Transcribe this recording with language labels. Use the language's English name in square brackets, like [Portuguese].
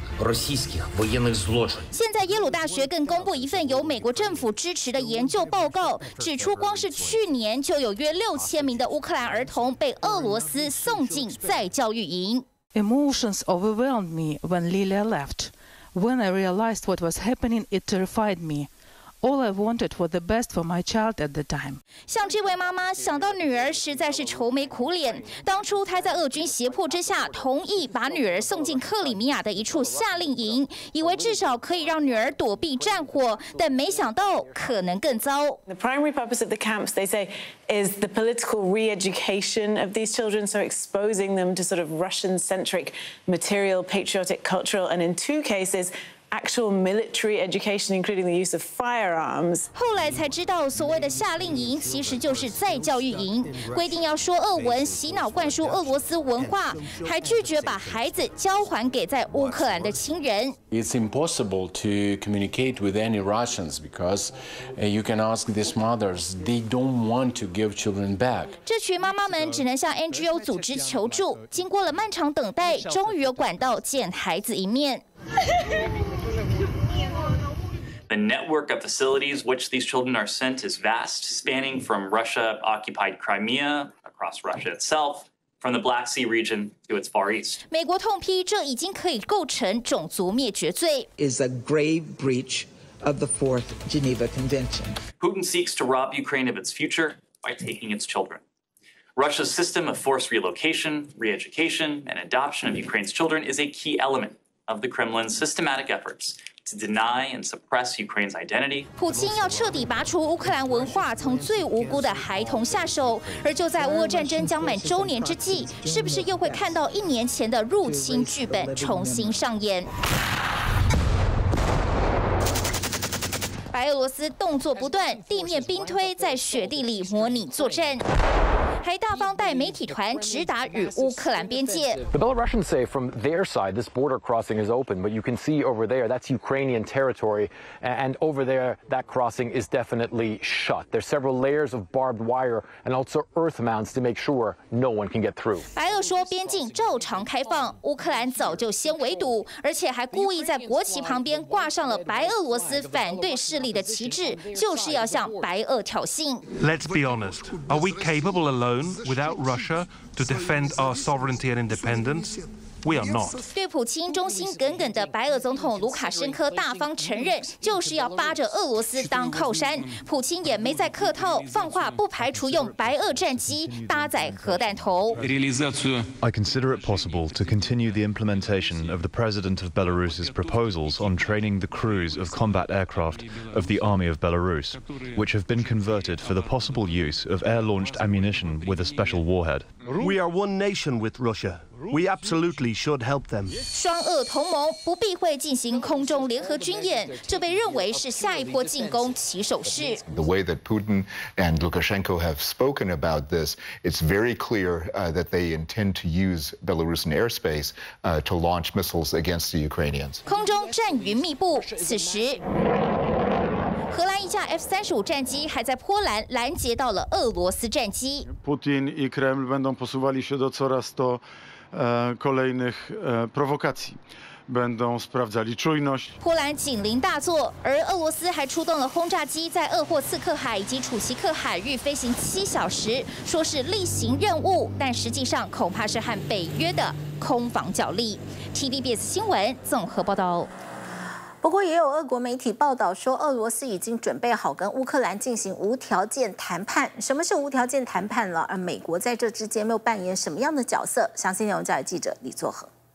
[Chinese] 现在耶鲁大学更公布一份由美国政府支持的研究报告，指出光是去年就有约6000名的乌克兰儿童被俄罗斯送进再教育营。 [English] Emotions overwhelmed me when Lilia left. When I realized what was happening, it terrified me. All I wanted was the best for my child at the time. [Chinese] 像这位妈妈想到女儿实在是愁眉苦脸。当初她在俄军胁迫之下同意把女儿送进克里米亚的一处夏令营，以为至少可以让女儿躲避战火，但没想到可能更糟。 [English] The primary purpose of the camps, they say, is the political re-education of these children, so exposing them to sort of Russian-centric material, patriotic, cultural, and in two cases,Actual military education, including the use of firearms. [Chinese] 后来才知道，所谓的夏令营其实就是再教育营，规定要说俄文，洗脑灌输俄罗斯文化，还拒绝把孩子交还给在乌克兰的亲人。 [English] It's impossible to communicate with any Russians because you can ask these mothers; they don't want to give children back. [Chinese] 这群妈妈们只能向 NGO 组织求助。经过了漫长等待，终于有管道见孩子一面。 [English] The network of facilities which these children are sent is vast, spanning from Russia-occupied Crimea across Russia itself, from the Black Sea region to its far east. [Chinese] 美国痛批这已经可以构成种族灭绝罪。 [English] Is a grave breach of the Fourth Geneva Convention. Putin seeks to rob Ukraine of its future by taking its children. Russia's system of forced relocation, re-education, and adoption of Ukraine's children is a key element. Of the Kremlin's systematic efforts to deny and suppress Ukraine's identity. [Chinese] Putin 要彻底拔除乌克兰文化，从最无辜的孩童下手。而就在乌俄战争将满周年之际，是不是又会看到一年前的入侵剧本重新上演？白俄罗斯动作不断，地面兵推在雪地里模拟作战。还大方带媒体团直达与乌克兰边界。 [English] The Belarusians say from their side this border crossing is open, but you can see over there that's Ukrainian territory, and over there that crossing is definitely shut. There's several layers of barbed wire and also earth mounds to make sure no one can get through. [Chinese] 白俄说边境照常开放，乌克兰早就先围堵，而且还故意在国旗旁边挂上了白俄罗斯反对势力的旗帜，就是要向白俄挑衅。 [English] Let's be honest, are we capable of Alone without Russia to defend our sovereignty and independence, we are not. [Chinese] 对普京忠心耿耿的白俄总统卢卡申科大方承认，就是要扒着俄罗斯当靠山。普京也没再客套，放话不排除用白俄战机搭载核弹头。 [English] I consider it possible to continue the implementation of the President of Belarus's proposals on training the crews of combat aircraft of the Army of Belarus, which have been converted for the possible use of air-launched ammunition with a special warhead. We are one nation with Russia. We absolutely should help them. [Chinese] 双俄同盟不避讳进行空中联合军演，这被认为是下一波进攻起手式。 [English] The way that Putin and Lukashenko have spoken about this, it's very clear that they intend to use Belarusian airspace to launch missiles against the Ukrainians. [Chinese] 空中战云密布，此时。荷兰一架 F-35 战机还在波兰拦截到了俄罗斯战机。 [Polish] Putin i Kreml będą posuwali się do coraz to kolejnych prowokacji. będą sprawdzali czujność. [Chinese] 波兰紧邻大作，而俄罗斯还出动了轰炸机，在鄂霍次克海以及楚奇克海域飞行7小时，说是例行任务，但实际上恐怕是和北约的空防角力。TVBS 新闻综合报道。不过，也有俄国媒体报道说，俄罗斯已经准备好跟乌克兰进行无条件谈判。什么是无条件谈判了？而美国在这之间又扮演什么样的角色？详细内容交给记者李作恒。